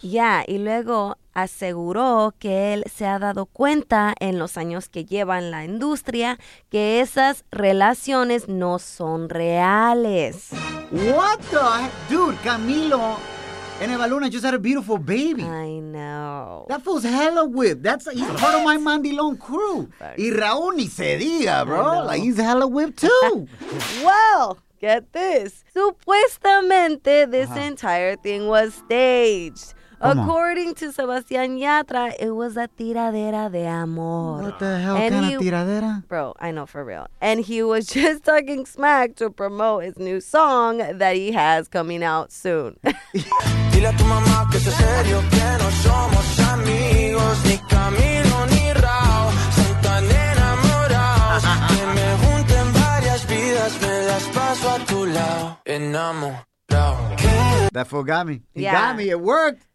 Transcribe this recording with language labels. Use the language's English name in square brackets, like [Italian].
[English] Yeah, [Spanish] y luego aseguró que él se ha dado cuenta en los años que lleva en la industria que esas relaciones no son reales. [English] What the heck? Dude, Camilo and Eva Luna just had a beautiful baby. I know. That feels hella whipped. He's part of my Mandilón crew. [Spanish] Y Raúl ni se diga, [English] bro. Like, he's hella whipped too. Well, get this. [Spanish] Supuestamente, [English] this entire thing was staged. According to Sebastián Yatra, it was a [Spanish] tiradera de amor. [English] What the hell and kind of tiradera? Bro, I know for real. And he was just talking smack to promote his new song that he has coming out soon. [Spanish] Dile a tu mamá que es serio, que no somos amigos, ni Camilo ni Raúl, son tan enamorados, que me junten varias vidas, me las paso a tu lado, enamorado. [English] That fool got me. Got me. It worked.